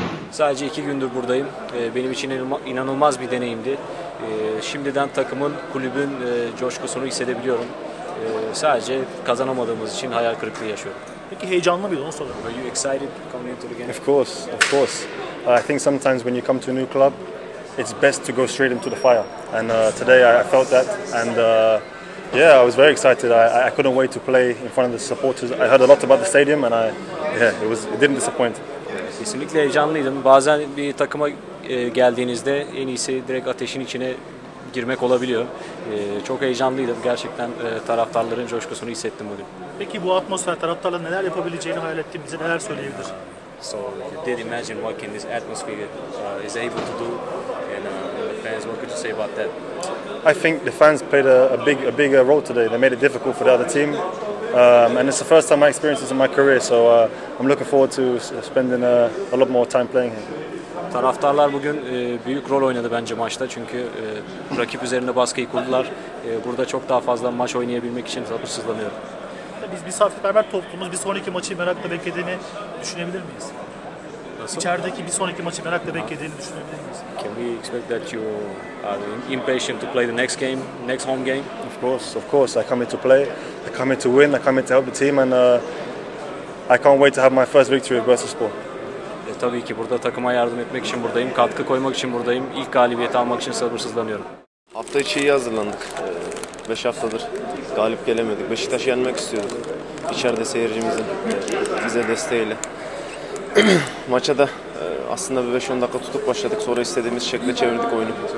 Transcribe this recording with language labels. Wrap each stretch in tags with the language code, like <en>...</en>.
<tr>Sadece 2 gündür buradayım. Benim için inanılmaz bir deneyimdi. Şimdiden takımın, kulübün coşkusunu hissedebiliyorum. Sadece kazanamadığımız için hayal kırıklığı yaşıyorum. Peki heyecanlı mıydın? Onu soruyorum.</tr> <en>Are you excited coming into the game? Of course, of course. I think sometimes when you come to a new club, it's best to go straight into the fire. And today I felt that. And yeah, I was very excited. I couldn't wait to play in front of the supporters. I heard a lot about the stadium and it didn't disappoint.</en> <tr>Kesinlikle heyecanlıydım. Bazen bir takıma geldiğinizde en iyisi direkt ateşin içine girmek olabiliyor. Çok heyecanlıydım. Gerçekten taraftarların coşkusunu hissettim bugün. Peki bu atmosfer taraftarla neler yapabileceğini hayal ettin. Bize neler söyleyebilir?</tr> <en>So you did imagine what can this atmosphere is able to do, and the fans. What could you say about that? I think the fans played a bigger role today. They made it difficult for the other team. And it's the first time I experienced this in my career, so I'm looking forward to spending a lot more time playing here.</en> <tr>Taraftarlar bugün büyük rol oynadı bence maçta, çünkü rakip üzerinde baskıyı kurdular. Burada çok daha fazla maç oynayabilmek için sabırsızlanıyorum. Biz misafirperver toplumuz, bir sonraki maçı merakla beklediğini düşünebilir miyiz? Nasıl? İçerideki bir sonraki maçı merakla beklediğini düşünebilir miyiz?</tr> <en>Can we expect that you are impatient to play the next game, next home game? Of course, of course. I come here to play. I come here to win. I come here to help the team, and I can't wait to have my first victory at Bursaspor.</en> <tr>Tabii ki burada takıma yardım etmek için buradayım, katkı koymak için buradayım. İlk galibiyeti almak için sabırsızlanıyorum. Hafta içi iyi hazırlandık. 5 haftadır galip gelemedik. Beşiktaş'ı yenmek istiyorduk. İçeride seyircimizin bize desteğiyle. Maça da aslında bir 5-10 dakika tutup başladık. Sonra istediğimiz şekilde çevirdik oyunu.</tr>